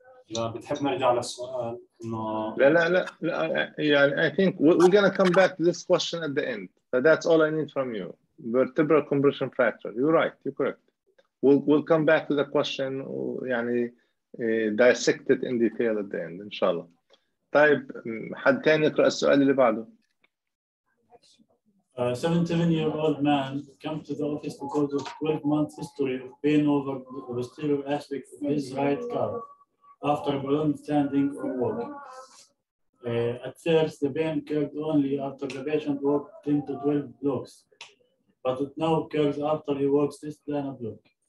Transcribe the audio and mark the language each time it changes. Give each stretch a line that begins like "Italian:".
Arabic: لا لا لا لا يعني
English: I think we're gonna come back to this question at the end. But that's all I need from you. Vertebral compression fracture. You're right. You're correct. We'll come back to the question.
Arabic: يعني
English: dissect it in detail at the end.
Arabic: Inshallah. طيب حد تاني يقرأ السؤال اللي بعده.
English: 77-year-old man comes to the office because of 12-month history of pain over the posterior aspect of his right calf. After a balloon standing or walking. At first, the pain occurred only after the patient walked 10 to 12 blocks, but it now occurs after he walks this than a block.